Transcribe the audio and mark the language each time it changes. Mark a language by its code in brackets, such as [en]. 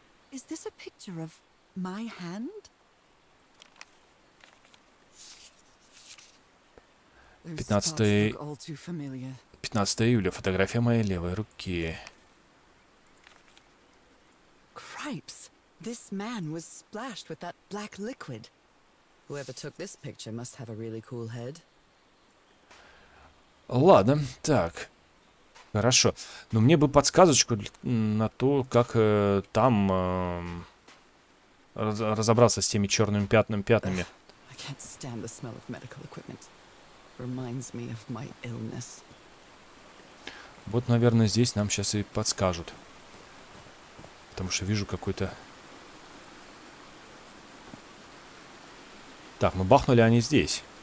[en] Is this a picture of my hand? [ru] 15 июля. Фотография моей левой руки. [en] Cripes! This man was splashed with that black liquid. Whoever took this picture must have a really cool head. [ru] Ладно, так. Хорошо. Но мне бы подсказочку на то, как там разобраться с теми черными пятнами. [en] I can't stand the smell of medical equipment. Reminds me of my illness. [ru] Вот, наверное, здесь нам сейчас и подскажут. Потому что вижу какой-то... Так, мы бахнули, а не здесь.